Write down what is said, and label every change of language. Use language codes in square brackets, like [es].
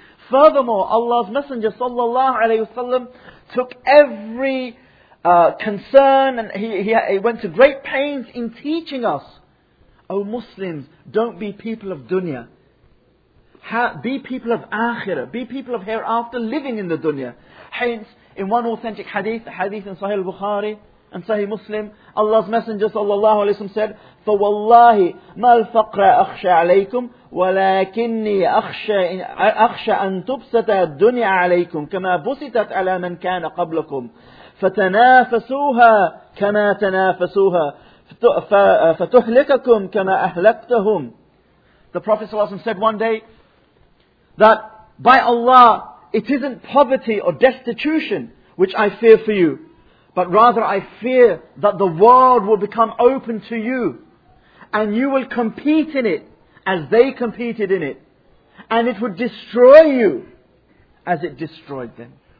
[en] Furthermore, Allah's Messenger sallallahu alayhi wa sallam took every concern and he went to great pains in teaching us, O Muslims, don't be people of dunya. Be people of akhirah. Be people of hereafter, living in the dunya. [ar] Hence, in one authentic hadith, the hadith in Sahih al-Bukhari and Sahih Muslim, Allah's Messenger sallallahu alayhi wa sallam said, فَوَاللَّهِ مَا الْفَقْرَ أَخْشَى عَلَيْكُمْ وَلَكِنِّي أَخْشَى أَنْ تُبْسَتَ الدُّنْيَا عَلَيْكُمْ كَمَا بُسِتَتْ عَلَى مَنْ كَانَ قَبْلَكُمْ فَتَنَافَسُوهَا كَمَا تَنَافَسُوهَا فَتُحْلِكَكُمْ كَمَا أَهْلَكْتَهُمْ. [en] The Prophet ﷺ said one day that by Allah, it isn't poverty or destitution which I fear for you, but rather I fear that the world will become open to you and you will compete in it as they competed in it, and it would destroy you as it destroyed them.